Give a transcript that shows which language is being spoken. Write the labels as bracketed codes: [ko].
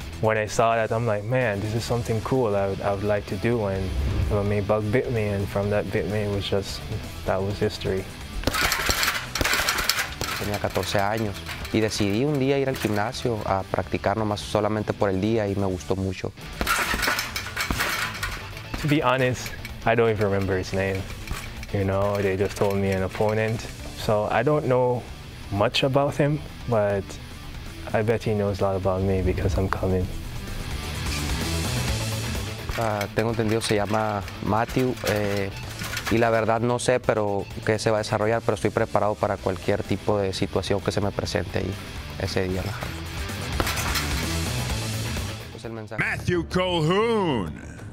[en] When I saw that, I'm like, man, this is something cool I would like to do. And the MMA bug bit me, and from that bit me, that was history. [es] Tenía 14 años y decidí un día ir al gimnasio a practicar nomás solamente por el día y me gustó mucho. [en] To be honest, I don't even remember his name. You know, they just told me an opponent. So I don't know much about him, but I bet he knows a lot about me because I'm coming. [es] Tengo entendido se llama Matthew, y la verdad no sé pero qué se va a desarrollar, pero estoy preparado para cualquier tipo de situación que se me presente ahí ese día. Pues el mensaje. Matthew Calhoun.